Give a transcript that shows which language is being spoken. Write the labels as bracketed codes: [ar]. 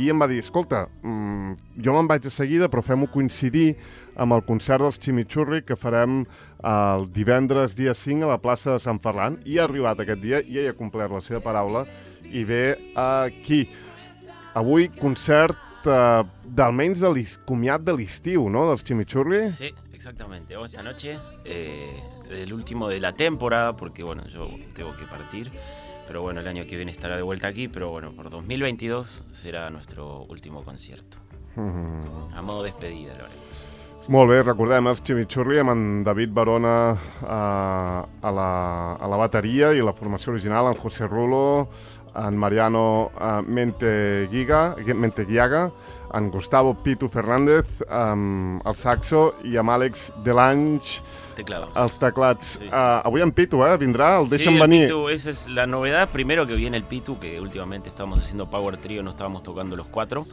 [ca] I em va dir, escolta, jo me'n vaig de seguida, però fem-ho coincidir amb el concert dels Chimichurri que farem el divendres dia 5 a la plaça de Sant Ferran. I ha arribat aquest dia, i ell ha complert la seva paraula, i ve aquí. Avui, concert d'almenys de comiat de l'estiu, no?, dels Chimichurri. Sí. [es] Exactamente, hoy esta noche, el último de la temporada, porque bueno, yo tengo que partir, pero bueno, el año que viene estará de vuelta aquí, pero bueno, por 2022 será nuestro último concierto. A modo de despedida, lo haremos. [ca] Molt bé, recordem els Chimichurri amb en David Barona a la bateria i la formació original, en José Rulo, en Mariano Menteguiaga, en Gustavo Pitu Fernández, el saxo, i amb Àlex Delange, els teclats. Sí, sí. Avui en Pitu, vindrà, el deixen venir. Sí, el [es] venir. Pitu, esa es la novedad, primero que viene el Pitu, que últimamente estábamos haciendo power trio, no estábamos tocando los cuatro.